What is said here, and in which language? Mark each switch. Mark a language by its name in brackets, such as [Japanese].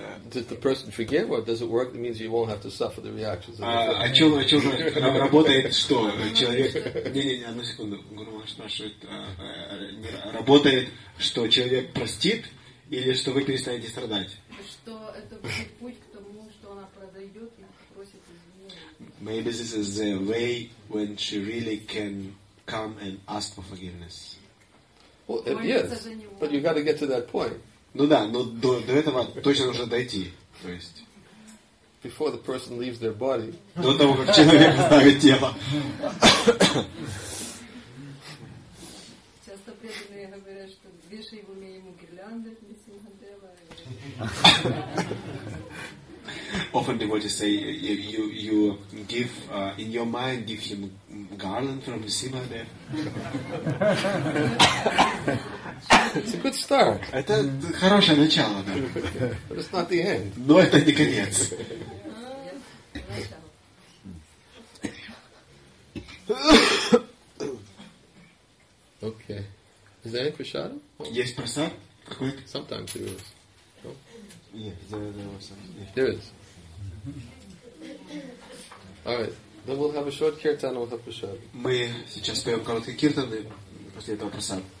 [English] Did the person forgive, or does it work? It means you won't have to suffer the reactions. [Russian] О чем работает, что человек? Не, одну секунду. Гуру Махарадж спрашивает, работает, что человек простит, или что вы перестанете страдать? Что это будет путь к тому, что она произойдет и попросит извинения. [English] Maybe this is the way when she really can come and ask for forgiveness. Well, it is, but you got to get to that point. [Russian] Ну да, но до этого точно нужно дойти. То есть. [English] Before the person leaves their body. [Russian] До того, как человек оставит тело. Часто преданные говорят, что вешай в уме ему гирлянды, не сингадева. [English] Often devotees say you give in your mind give him garland from Simhadev. It's a good start. [Russian] Это хорошее начало, да. [English] But it's not the end. [Russian] Но это не конец. [English] Okay. Is there any prasad? [Russian] Есть прасад? Какой? [English] Sometimes there is. Yeah, there is. All right, then we'll have a short kirtan and we'll have prasad. [Russian] Мы сейчас поем короткий киртан и после этого прасад.